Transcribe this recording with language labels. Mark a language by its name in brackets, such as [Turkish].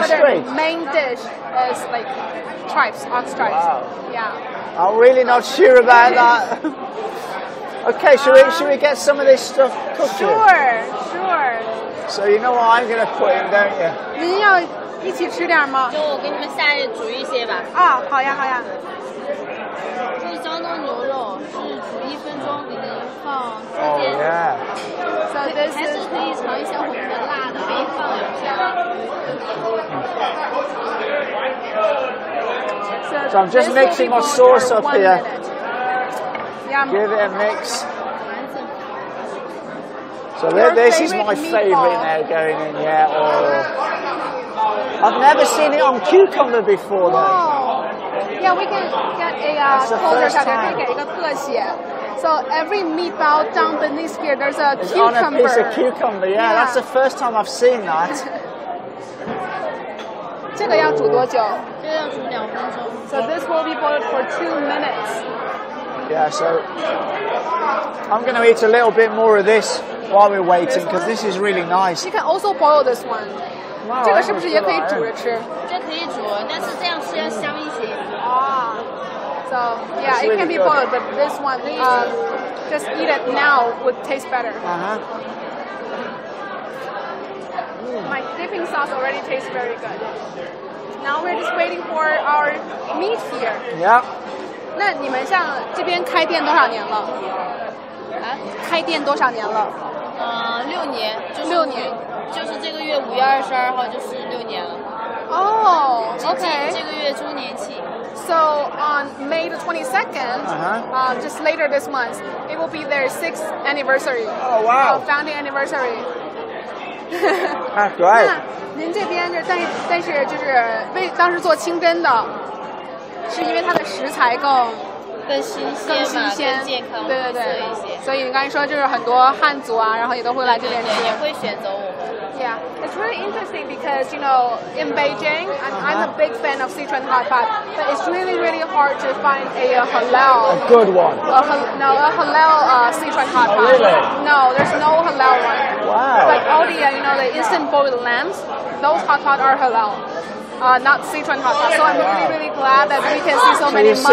[English] but street. Their main dish is like tripes, ox tripes. Wow. Yeah. I'm really not sure about that. Okay, should we get some of this stuff cooking? Sure, sure. So you know what I'm gonna put in, don't you? [Chinese] 您要一起吃点吗？就我给你们下去煮一些吧。啊，好呀，好呀。这江东牛肉是煮一分钟，给您放四天。 [English] Oh, yeah. So this is [Chinese] 可以尝一下我们的辣的，可以放两下。 [English] So I'm just mixing my sauce up here. Yeah. Give it a mix. So this is my favorite now going in. Yeah. Or... I've never seen it on cucumber before, though. Whoa. Yeah, we can get a closer shot. We can get a 特写.So every meatball down beneath here, there's a it's cucumber. It's on a piece of cucumber. Yeah, that's the first time I've seen that. [Chinese] 这个要煮多久？这要煮两分钟. [English] So this will be boiled for 2 minutes. Yeah. So I'm going to eat a little bit more of this while we're waiting because this is really nice. You can also boil this one. Wow, [Chinese] 这个是不是也可以煮着吃？这可以煮，但是这样吃要香一些。 [English] 啊、so yeah, really、 it can be boiled, but this one, just eat it now would taste better. Uh-huh. My dipping sauce already tastes very good. Now we're just waiting for our meat here. Yeah. [Chinese] 那你们像这边开店多少年了？啊？开店多少年了？六年，就是六年。就是这个月5月22号就是六年了。 [English] 哦、oh,，OK。 [Chinese] 这个月周年庆。 [English] So on May 22nd,、 uh-huh. Just later this month, it will be their 6th anniversary. Oh wow! Founding anniversary. That's right. [Chinese] 那您这边是但是就是为当时做清真的，是因为它的食材更新鲜更健康，对对对，一些所以你刚才说就是很多汉族啊，然后也都会来这边吃，也会选择我们。 [English] Yeah, it's really interesting because, you know, in Beijing, I'm a big fan of Sichuan hot pot, but it's really, really hard to find a halal. A good one. A halal Sichuan hot pot. Oh, really? No, there's no halal one. Wow. But all the, you know, the instant boiled lambs, those hot pot are halal, not Sichuan hot pot. So I'm really, really glad that we can see so many Muslims here.